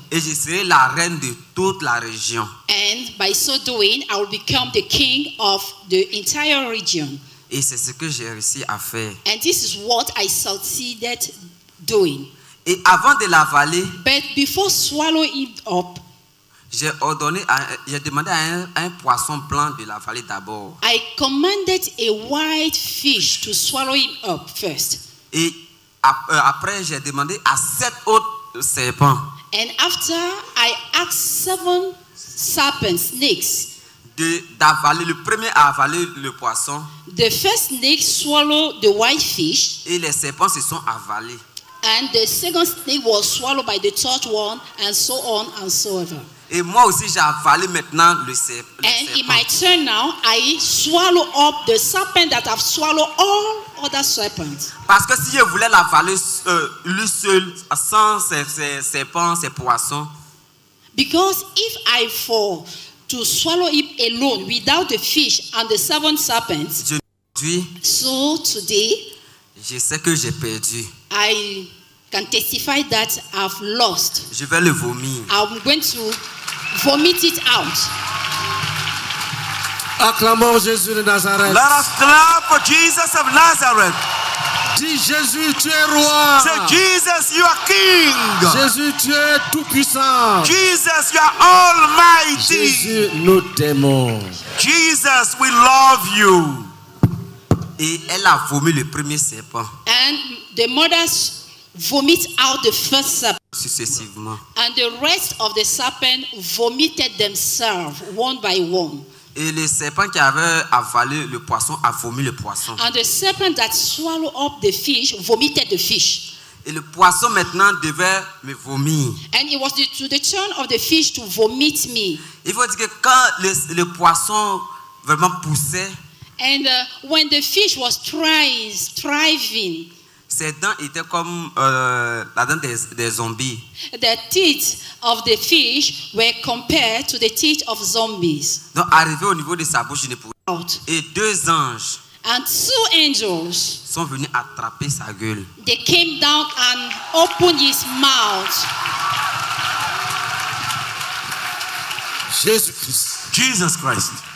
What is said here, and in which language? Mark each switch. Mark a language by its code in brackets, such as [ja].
[fr] Et je serai la reine de toute la région. [en] And by so doing, I will become the king of the entire region. [fr] Et c'est ce que j'ai réussi à faire. [en] And this is what I succeeded doing. [fr] Et avant de l'avaler, [en] but before swallowing it up, [fr] j'ai demandé à un poisson blanc de l'avaler d'abord. [en] I commanded a white fish to swallow it up first. [fr] Et après, j'ai demandé à sept autres serpents. [en] And after, I asked seven serpents, snakes, [fr] d'avaler le premier à avaler le poisson. [en] The first snake swallowed the white fish. [fr] Et les serpents se sont avalés. [en] And the second snake was swallowed by the third one, and so on and so ever. [fr] Et moi aussi, j'ai avalé maintenant le serpent. [en] And in my turn now, I swallow up the serpent that have swallowed all other serpents. [fr] Parce que si je voulais l'avaler lui seul, sans ses serpents, ses poissons. [en] Because if I fall to swallow him alone, without the fish and the seven serpents. So today. [fr] Je sais que j'ai perdu. [en] I can testify that I've lost. [fr] Je vais le vomir. [en] I'm going to vomit it out. [fr] Acclamons Jésus de Nazareth. [en] Let us clap for Jesus of Nazareth. [fr] Dis Jésus, tu es roi. [en] Say Jesus, you are king. [fr] Jésus, tu es tout puissant. [en] Jesus, you are almighty. [fr] Jésus, nous t'aimons. [en] Jesus, we love you. [fr] Et elle a vomi le premier serpent. [en] And the mothers vomit out the first serpent. [fr] Successivement. [en] And the rest of the serpent vomited themselves one by one. [fr] Et le serpent qui avait avalé le poisson a vomi le poisson. [en] And the serpent that swallowed up the fish vomited the fish. [fr] Et le poisson maintenant devait me vomir. [en] And it was to the turn of the fish to vomit me. [fr] Il faut dire que quand le poisson vraiment poussait. [en] And when the fish was thriving, [fr] ses dents étaient comme la dent des zombies. [en] The teeth of the fish were compared to the teeth of zombies. [fr] Donc arrivé au niveau de sa bouche, je ne pouvais pas. Et deux anges, [en] and two angels, [fr] sont venus attraper sa gueule. [en] They came down and opened his mouth. Jesus Christ. Jesus Christ.